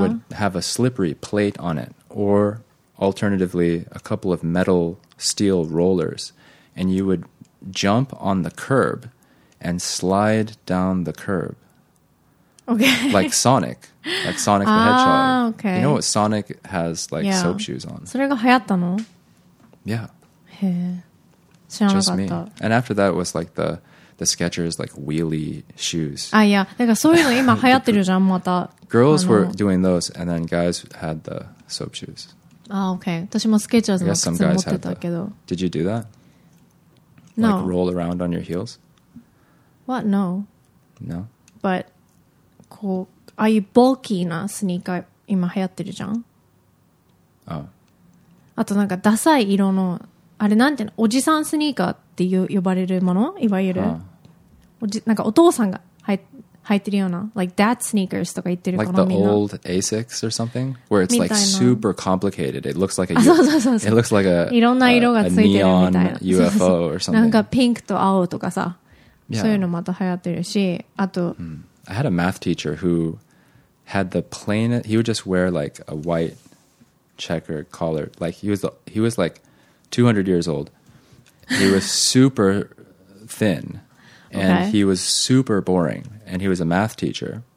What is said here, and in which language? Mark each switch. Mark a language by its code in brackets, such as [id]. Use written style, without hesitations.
[en] Would have a slippery plate on it or... Alternatively, a couple of metal steel rollers, and you would jump on the curb and slide down the curb. Okay. Like Sonic the Hedgehog. Okay. You know what Sonic has like、yeah. soap shoes on? [ja] それが流行ったの? [en] Yeah. [ja] へえ。知らなかった。 [en] Just me. And after that was like the Skechers like wheelie shoes. Ah, yeah. [ja] だからそういうの今流行ってるじゃん、また。 [en] Girls were doing those, and then guys had the soap shoes. Ah, okay. [ja] 私もスケーチャーズの靴持ってたけど。 [en] Did you do that? No. Like roll around on your heels? What? No. No? But, [ja] こう、ああいうボーキーなスニーカー今流行ってるじゃん。ああ、あとなんかダサい色のあれなんていうの、おじさんスニーカーっていう呼ばれるもの、いわゆる、ああ、なんかお父さんが履いてるような [en] like dad sneakers [ja] とか言ってるかな、 [en] like the old Asics or something where it's like super complicated, it looks like a, [ja] そうそうそうそう、 [en] it looks like a, [ja] いろんな色がついてるみたいな、 [en] a neon UFO or something、 [ja] なんかピンクと青とかさ、yeah. そういうのまた流行ってるし、あと、 [en] I had a math teacher who had the plain, he would just wear like a white checker collar, like he was like 200 years old, he was super thin and okay. he was super boring and he was a math teacher,